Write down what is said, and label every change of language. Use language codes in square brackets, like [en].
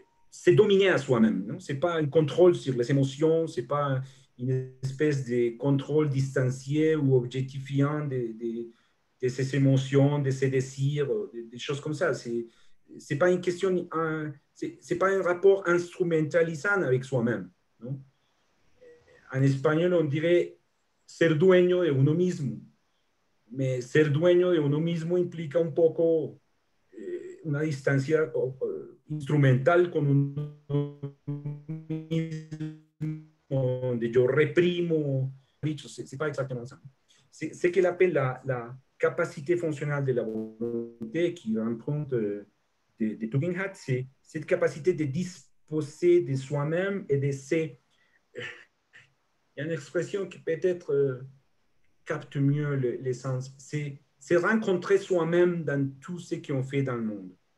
[fr] C'est dominer à soi-même, non? C'est pas un contrôle sur les émotions, c'est pas une espèce de contrôle distancié ou objectifiant de ses émotions, de ses désirs, des choses comme ça. C'est pas une question, c'est pas un rapport instrumentalisant avec soi-même, non? En espagnol, on dirait [es] ser dueño de uno mismo, [fr] mais [es] ser dueño de uno mismo [fr] implique [es] un poco una distancia instrumental con uno mismo, donde yo reprimo, dicho, [fr] c'est pas exactement ça. C'est qu'elle appelle la capacité fonctionnelle de la volonté, qui emprunte de Tugendhat, c'est cette capacité de disposer de soi-même et de ses. Il y a une expression qui peut-être capte mieux l'essence, c'est rencontrer soi-même dans tout ce qu'on fait dans le monde.